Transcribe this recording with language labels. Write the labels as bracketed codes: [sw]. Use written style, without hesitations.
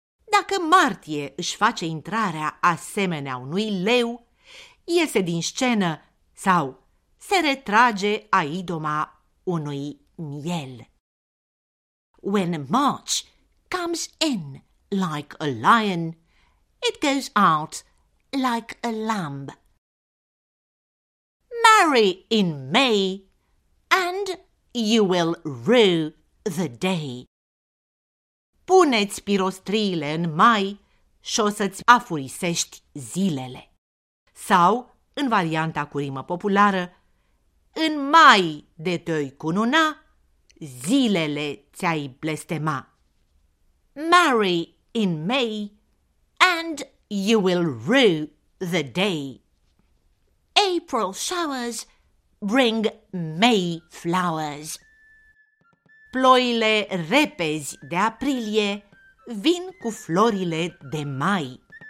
[ro] Dacă martie își face intrarea asemenea unui leu, iese din scenă sau se retrage a idoma unui miel. [en] When March comes in like a lion, it goes out like a lamb. Marry in May, and you will rue the day. [ro] Pune-ți pirostriile în mai și o să-ți afurisești zilele. Sau, în varianta cu rimă populară, în mai de te-oi cununa, zilele ți-ai blestema. [en] Marry in May, and you will rue the day. April showers bring May flowers. [ro] Ploile repezi de aprilie vin cu florile de mai.